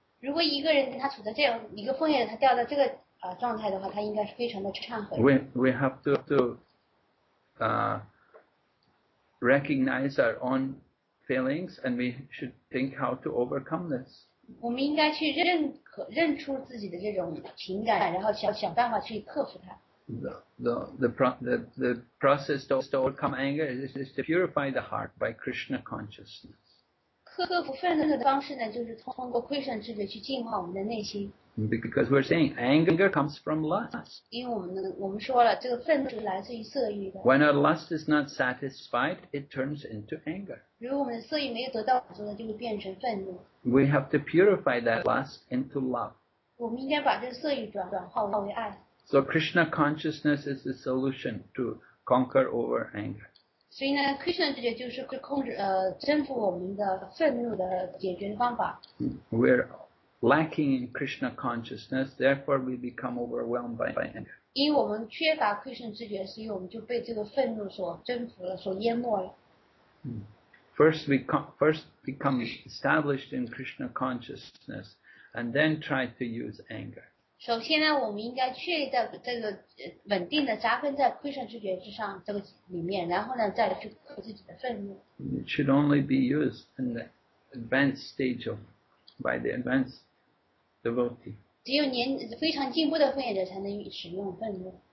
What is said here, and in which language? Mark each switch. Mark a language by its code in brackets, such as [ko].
[zh] 如果一个人他处在这样一个奉献，他掉到这个状态的话，他应该是非常的忏悔。 [en] We have to recognize our own failings, and we should think how to overcome this. [zh] 我们应该去认出自己的这种情感，然后想办法去克服它。 [en] The process to overcome anger is to purify the heart by Krishna consciousness. [zh] 克服愤怒的方式呢，就是通过窥圣知觉去净化我们的内心。 [en] Because we're saying anger comes from lust. [zh] 因为我们说了，这个愤怒是来自于色欲的。 [en] When our lust is not satisfied, it turns into anger. [zh] 如果我们的色欲没有得到满足，就会变成愤怒。 [en] We have to purify that lust into love. [zh] 我们应该把这个色欲转化为爱。 [en] So Krishna consciousness is the solution to conquer over anger. [zh] 所以呢 ，Krishna 这个就是控制征服我们的愤怒的解决方法。 [en] We're lacking in Krishna consciousness, therefore we become overwhelmed by anger. [zh] 因为我们缺乏 Krishna 知觉，所以我们就被这个愤怒所征服了，所淹没了。 [en] first become established in Krishna consciousness, and then try to use anger. [zh] 首先呢，我们应该确立在这个稳定的扎根在 Krishna 知觉之上这个里面，然后呢，再去克服自己的愤怒。 [en] It should only be used in the advanced stage of by the advanced devotee. [zh] 只有年非常进步的奉献者才能使用愤怒。